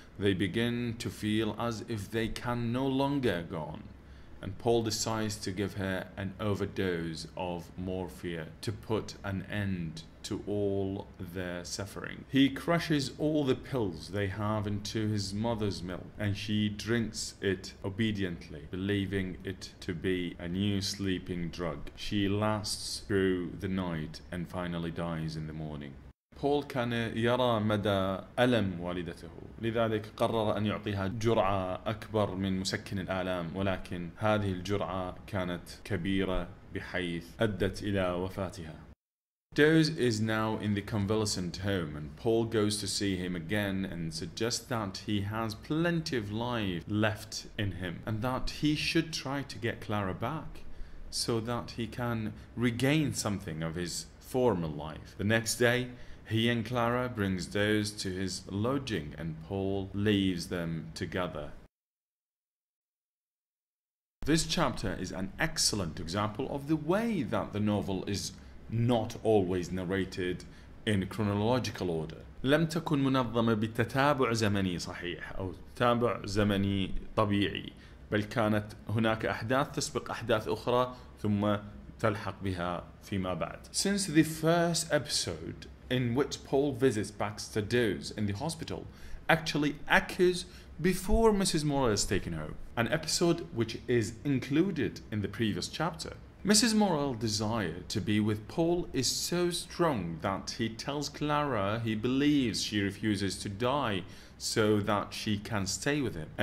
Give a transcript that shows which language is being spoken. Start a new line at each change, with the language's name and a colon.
English: They begin to feel as if they can no longer go on, and Paul decides to give her an overdose of morphia to put an end to all their suffering. He crushes all the pills they have into his mother's milk, and she drinks it obediently, believing it to be a new sleeping drug. She lasts through the night and finally dies in the morning.
Arabic: Paul كان يرى مدى ألم والدته، لذلك قرر أن يعطيها جرعة أكبر من مسكن الآلام، ولكن هذه الجرعة كانت كبيرة بحيث أدت إلى وفاتها.
English: Durs is now in the convalescent home, and Paul goes to see him again and suggests that he has plenty of life left in him and that he should try to get Clara back so that he can regain something of his former life. The next day, he and Clara brings Durs to his lodging and Paul leaves them together. This chapter is an excellent example of the way that the novel is not always narrated in chronological order.
Arabic: لم تكن منظمة بتتابع زمني صحيح أو تتابع زمني طبيعي، بل كانت هناك أحداث تسبق أحداث أخرى ثم تلحق بها فيما بعد.
English: Since the first episode in which Paul visits Baxter Durs in the hospital actually occurs before Mrs. Morell is taken home, an episode which is included in the previous chapter, Mrs. Morell's desire to be with Paul is so strong that he tells Clara he believes she refuses to die so that she can stay with him.